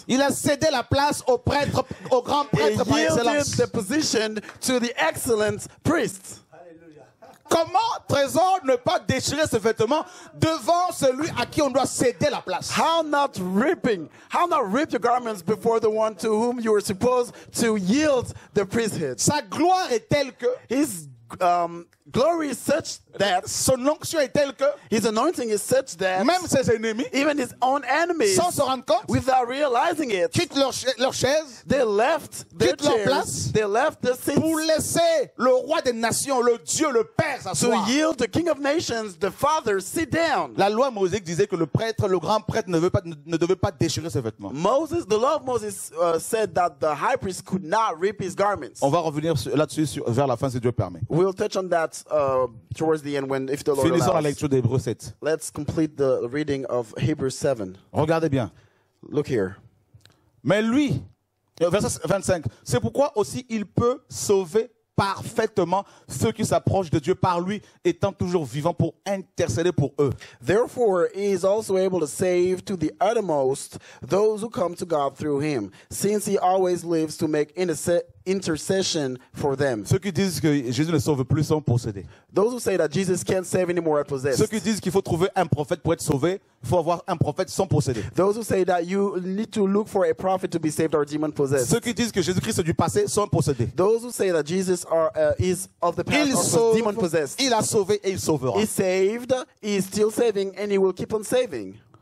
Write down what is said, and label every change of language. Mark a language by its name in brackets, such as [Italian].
[French] Il a cédé la place au prêtre, au grand prêtre par excellence. [English] He yielded the position to the excellent priest. [French] Comment, trésor, ne pas déchirer ses vêtements devant celui à qui on doit céder la place? [English] How not rip your garments before the one to whom you are supposed to yield the priesthood? [French] Sa gloire est telle que [English] his glory is such that [French] son onction est telle que [English] his anointing is such that [French] même ses ennemis, [English] even his own enemies, [French] sans se rendre compte, [English] without realizing it, [French] quittent leur chaise, [English] they left their [French] quittent [English] chairs, [French] leur place, [English] they left the seats, [French] pour laisser le roi des nations, le Dieu, le Père s'asseoir. [English] To yield the King of Nations, the Father, sit down. [French] La loi mosaïque disait que le prêtre, le grand prêtre, ne devait pas déchirer ses vêtements. [English] Moses, the law of Moses said that the high priest could not rip his garments. [French] On va revenir là-dessus vers la fin si Dieu permet. [English] We'll touch on that towards the end when if the Lord [French] finissons [English] allows. [French] La lecture d'Hébreux 7. [English] Let's complete the reading of Hebrews 7. [French] Regardez bien. [English] Look here. [French] Mais lui, verset 25, c'est pourquoi aussi il peut sauver parfaitement ceux qui s'approchent de Dieu par lui étant toujours vivant pour intercéder pour eux. [English] Therefore, he is also able to save to the uttermost those who come to God through him, since he always lives to make intercession for them. [French] Ceux qui disent que Jésus ne sauve plus sont possédés. [English] Those who say that Jesus can't save anymore are possessed. [French] Ceux qui disent qu'il faut trouver un prophète pour être sauvé, faut avoir un prophète sans posséder. [English] Those who say that you need to look for a prophet to be saved are demon possessed. [French] Ceux qui disent que Jésus-Christ est du passé sont possédés. [English] Those who say that Jesus is of the past are demon possessed. [French] Il a sauvé et il sauvera. [English] He saved, he is still saving and he will keep on saving.